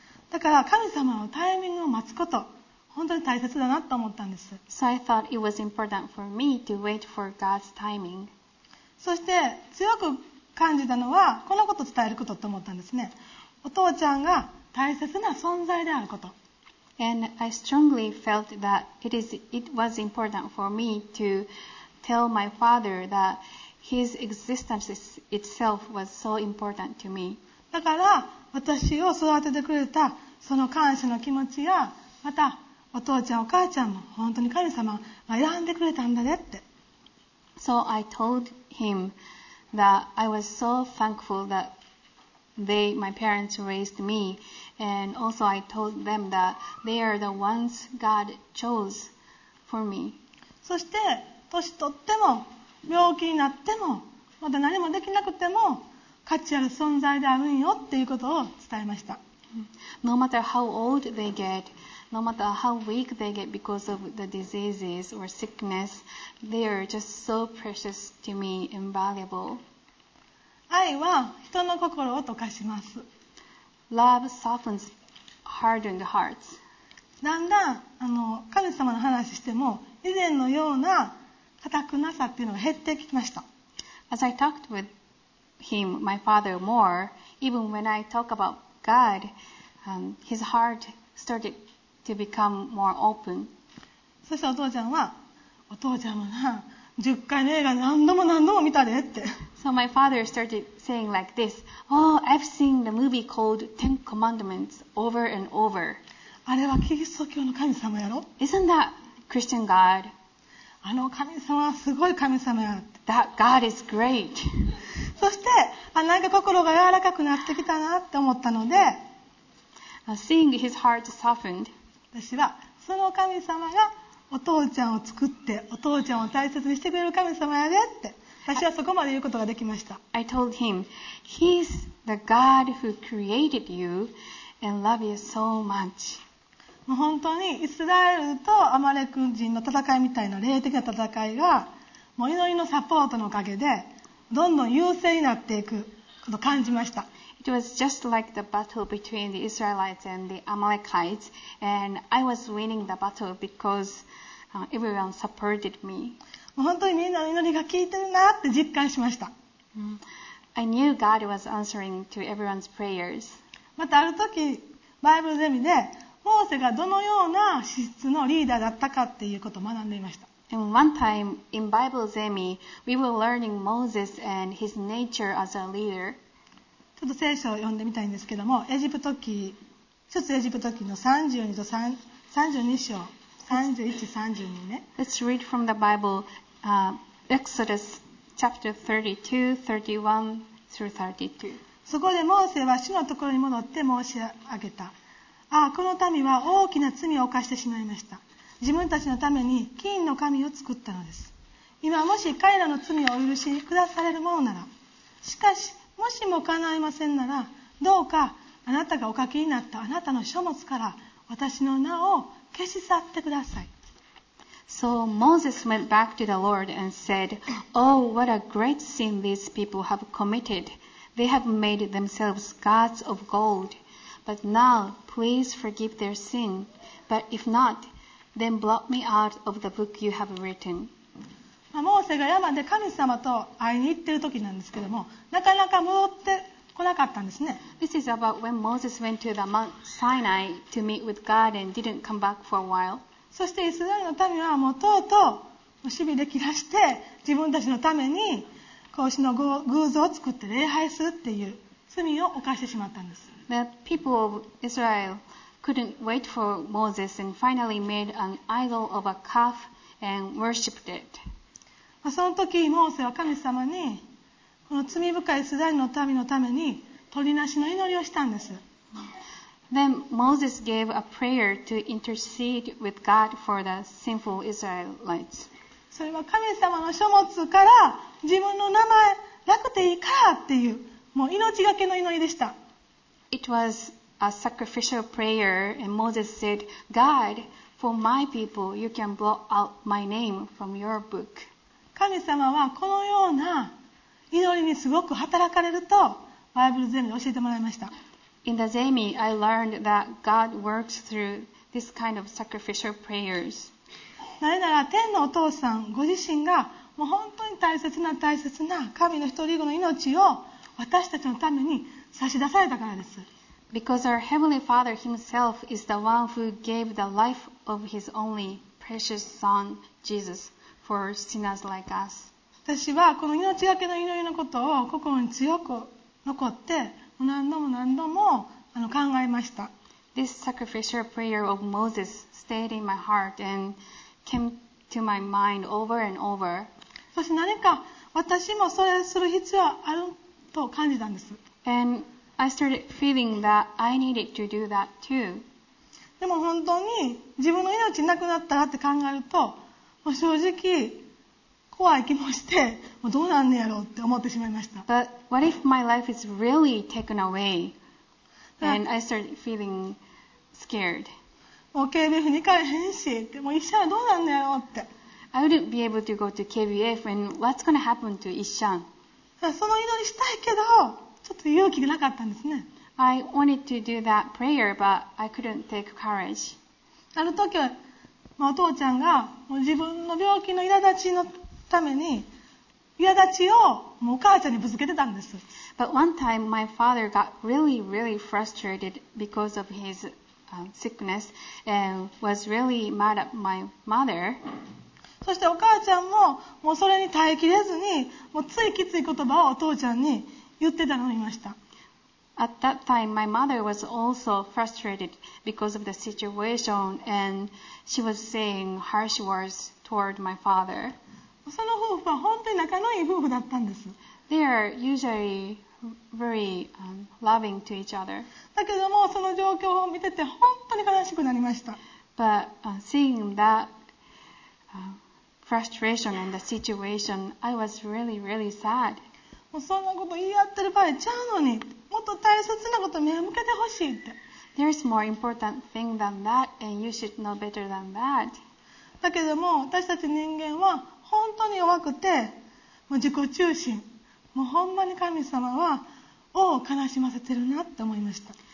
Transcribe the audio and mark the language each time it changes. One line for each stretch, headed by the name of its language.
Japanese: だから神様のタイミングを待つこと、本当に大切だなと思ったんです。
English: So I thought it was important for me to wait for God's timing.
Japanese: そして強く感じたのはこのことを伝えることと思ったんですね。お父ちゃんが大切な存在であること。
English: And I strongly felt that it was important for me to tell my father that his existence itself was so important to me.
Japanese: だから私を育ててくれたその感謝の気持ちやまたお父ちゃんお母ちゃんも本当に神様が選んでくれたんだねって。
English: So I told him that I was so thankful that my parents raised me, and also I told them that they are the ones God chose for me.
Japanese: そして年取っても病気になってもまだ何もできなくても価値ある存在であるんよっていうことを伝えました。
English: No matter how old they get. No matter how weak they get because of the diseases or sickness, they are just so precious to me and valuable.
Japanese: 愛は人の心を溶かします。
English: Love softens hardened hearts.
Japanese: だんだん神様の話しても以前のような固くなさっていうのが減ってきました。
English: As I talked with him, my father, more, even when I talk about God, his heart started. To become more open.
Japanese: そしてお父ちゃんはお父ちゃんもな10回の映画何度も何度も見たでって。
English: So my father started saying like this. Oh, I've seen the movie called Ten Commandments over and over.
Japanese: あれはキリスト教の神様やろ?
English: Isn't that Christian God?
Japanese: あの神様はすごい神様や。
English: That God is great.
Japanese: そして、あ、なんか心が柔らかくなってきたなって思ったので、
English: Seeing his heart softened,
Japanese: 私はその神様がお父ちゃんを作ってお父ちゃんを大切にしてくれる神様やでって私はそこまで言うことができました。
English: I told him, He's the God who created you and loves you so much.
Japanese: もう本当にイスラエルとアマレク人の戦いみたいな霊的な戦いがもう祈りのサポートのおかげでどんどん優勢になっていくことを感じました。
English: It was just like the battle between the Israelites and the Amalekites, and I was winning the battle because everyone supported me.
Japanese: 本当にみんなの祈りが効いてるなって実感しました。
English: I knew God was answering to everyone's prayers.
Japanese: またある時、バイブルゼミでモーセがどのような資質のリーダーだったかっていうことを学んでいました。
English: And one time in Bible Zemi, we were learning Moses and his nature as a leader.
Japanese: ちょっと聖書を読んでみたいんですけども、エジプト記、出エジプト記の32と32章、31、32ね。
English: Let's read from the Bible, Exodus chapter 32:31-32.
Japanese: そこでモーセは主のところに戻って申し上げた。ああ、この民は大きな罪を犯してしまいました。自分たちのために金の神を作ったのです。今もし彼らの罪をお許しくだされるものなら、しかしもしも叶いませんなら、どうかあなたがお書きになったあなたの書物から私の名を消し去ってください。
English: So Moses went back to the Lord and said, Oh, what a great sin these people have committed. They have made themselves gods of gold. But now, please forgive their sin. But if not,Then blot me out of the book you have written.
Japanese: モーセが山で神様と会いに行っている時なんですけども、なかなか戻ってこなかったんですね。
English: This is about when Moses went to the Mount Sinai to meet with God and didn't come back for a while.
Japanese: そしてイスラエルの民はもうとうとうしびれ切らして、自分たちのために孔子の偶像を作って礼拝するっていう罪を犯してしまったんです。
English: The people of Israel. Couldn't wait for Moses and finally made an idol of a calf and worshipped it.
Japanese: その時モーセは神様にこの罪深いイスラエルの民のために鳥なしの祈りをしたんです。
English: Then Moses gave a prayer to intercede with God for the sinful Israelites.
Japanese: それは神様の書物から自分の名前なくていいからっていうもう命がけの祈りでした。
English: It wasA sacrificial prayer, and Moses said, God, for my people, you can blot out my name from your book.
Japanese: 神様はこのような祈りにすごく働かれると、バイブルゼミで教えてもらいました。
English: In the Zemi, I learned that God works through this kind of sacrificial prayers.
Japanese: なぜなら、天のお父さんご自身が、もう本当に大切な大切な神の一人子の命を私たちのために差し出されたからです。
English: Because our Heavenly Father Himself is the one who gave the life of His only precious Son, Jesus, for sinners like us.
Japanese: 私はこの命がけの祈りのことを心に強く残って何度も何度も考えました。
English: This sacrificial prayer of Moses stayed in my heart and came to my mind over and over.
Japanese: そして何か私もそれする必要あると感じたんです。
English: And I started feeling that I needed to do that too.
Japanese: でも本当に自分の命なくなったらって考えると、もう正直怖い気もして、もうどうなんねやろうって思ってしまいました。
English: But what if my life is really taken away? And I started feeling scared.
Japanese: もう KBF に行かへんし、もう医者はどうなんねやろうって。
English: I wouldn't be able to go to KBF and what's going to happen to 医者？
Japanese: その祈りしたいけど、ちょっと勇気がなかったんですね。
English: I wanted to do that prayer, but I couldn't take courage.
Japanese: ある時は、まあ、お父ちゃんがもう自分の病気の苛立ちのために苛立ちをもうお母ちゃんにぶつけてたんです。
English: But one time, my father got really, really frustrated because of his sickness and was really mad at my mother.
Japanese: そしてお母ちゃんも、もうそれに耐えきれずに、もうついきつい言葉をお父ちゃんに言ってたのを見ました。
English: At that time, my mother was also frustrated because of the situation, and she was saying harsh words toward my father.
Japanese: その夫婦は本当に仲のいい夫婦だったんです。
English: They are usually very loving to each other.
Japanese: だけども、その状況を見てて本当に悲しくなりました。
English: But seeing that frustration and the situation, I was really, really sad.
Japanese: もうそんなこと言い合ってる場合ちゃうのに。もっと大切なことを目を向けてほしいって。
English: There is more important thing than that, and you should know better than that.
Japanese: だけども、私たち人間は本当に弱くて、もう自己中心。もうほんまに神様は王を悲しませてるなって思いました。